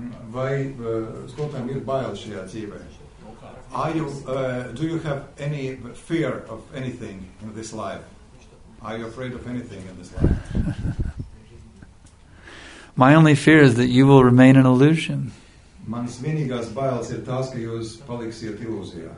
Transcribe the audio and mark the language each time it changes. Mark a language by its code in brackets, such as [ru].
[lv] Vai skolotājiem ir bail šajā dzīvē? [en] Do you have any fear of anything in this life? Are you afraid of anything in this life? My only fear is that you will remain an illusion. [lv] Mans vienīgās bailes ir tās, ka jūs paliksiet ilūzijā.